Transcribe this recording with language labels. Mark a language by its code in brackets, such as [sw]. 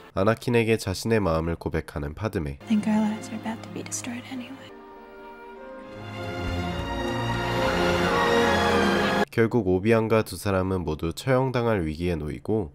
[ko] 아나킨에게 자신의 마음을 고백하는 파드메. [en] I think our lives are about to be destroyed anyway. [ko] 결국 오비안과 두 사람은 모두 처형당할 위기에 놓이고